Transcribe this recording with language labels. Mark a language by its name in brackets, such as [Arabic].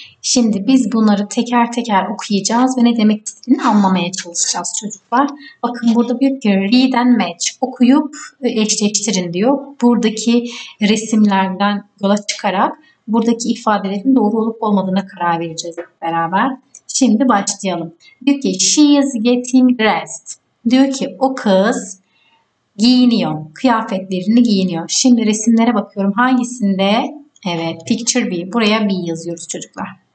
[Turkish] Şimdi biz bunları teker teker okuyacağız ve ne demek istediğini anlamaya çalışacağız çocuklar. Bakın burada diyor ki [English] read and match, [Turkish] okuyup eşleştirin diyor. Buradaki resimlerden yola çıkarak buradaki ifadelerin doğru olup olmadığına karar vereceğiz hep beraber. Şimdi başlayalım. Diyor ki [English] she is getting dressed. [Turkish] Diyor ki o kız giyiniyor. Kıyafetlerini giyiniyor. Şimdi resimlere bakıyorum. Hangisinde? Evet, [English] picture B. [Turkish] Buraya B yazıyoruz çocuklar.